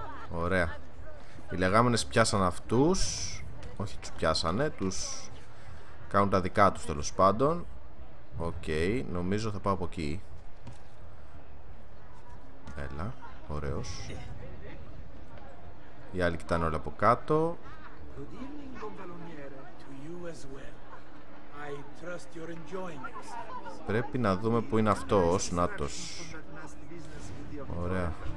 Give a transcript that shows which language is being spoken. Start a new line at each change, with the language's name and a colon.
Greek: Ωραία. Οι λεγάμενες πιάσαν αυτούς. Όχι, τους πιάσανε, τους κάνουν τα δικά τους τέλος πάντων. Οκ, νομίζω θα πάω από εκεί. Έλα. Ωραίος. Οι άλλοι κοιτάνε όλα από κάτω.
English: Good evening, Gonfaloniere, to you as well. I trust you're enjoying it.
Greek: Πρέπει να δούμε που είναι αυτός. Νάτος. Ωραία.